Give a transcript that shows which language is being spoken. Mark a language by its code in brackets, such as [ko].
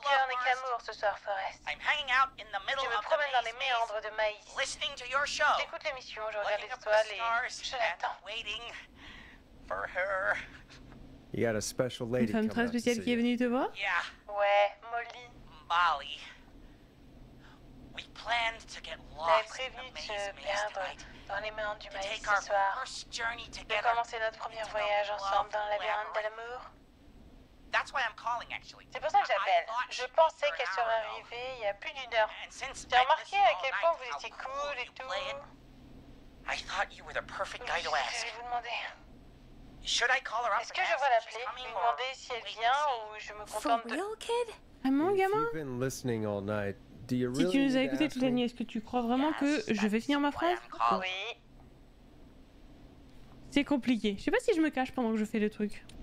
[fr] love, Forrest. Mon cœur n'est qu'amour ce soir, Forrest. [en] I'm hanging out in the middle [fr] of the maze. Je me promène dans les méandres de maïs. [en] Listening to your show. [fr] J'écoute l'émission, je regarde les étoiles et je l'attends. [en] And waiting for her. You got a special lady. [fr] Une femme très spéciale qui est venue te voir? [en] Yeah. [fr] Ouais, Molly. Molly. [en] We planned to get lost in the maze tonight. [fr] Dans les méandres du maïs ce soir. De commencer notre premier voyage ensemble dans le labyrinthe de l'amour. C'est pour ça que j'appelle. Je pensais qu'elle serait arrivée il y a plus d'une heure. J'ai remarqué à quel point vous étiez cool et tout. [en] I thought you were the perfect guy to ask. [fr] Vous demander. [en] Should I call her up? [fr] Est-ce que je dois l'appeler, lui demander si elle vient ou je me contente de... [en] For real, kid? Vraiment, gamin? You've been listening all night. [fr] Si tu nous as écouté toute la nuit, est-ce que tu crois vraiment que je vais finir ma phrase? Oui. C'est compliqué. Je sais pas si je me cache pendant que je fais le truc.